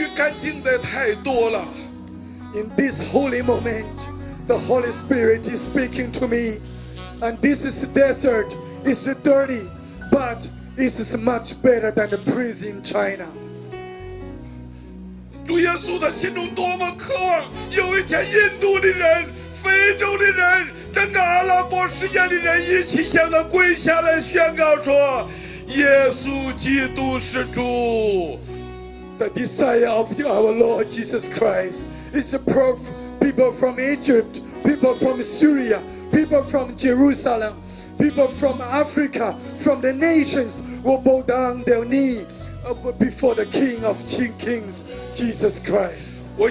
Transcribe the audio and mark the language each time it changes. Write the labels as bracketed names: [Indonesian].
[Chinese] 虽然我们是带到隐基底的旷野、犹大的旷野，可是神仍然对我说：“孩子，这个比监狱干净的太多了。” [English] In this holy moment, the Holy Spirit is speaking to me, and this is desert. It's dirty, but this is much better than the prison in China. [Chinese] 主耶稣的心中多么渴望，有一天印度的人、非洲的人、整个阿拉伯世界的人一起向他跪下来宣告说：“耶稣基督是主。” [English] The desire of our Lord Jesus Christ is to prove people from Egypt, people from Syria, people from Jerusalem, people from Africa, from the nations, will bow down their knee before the King of Kings, Jesus Christ.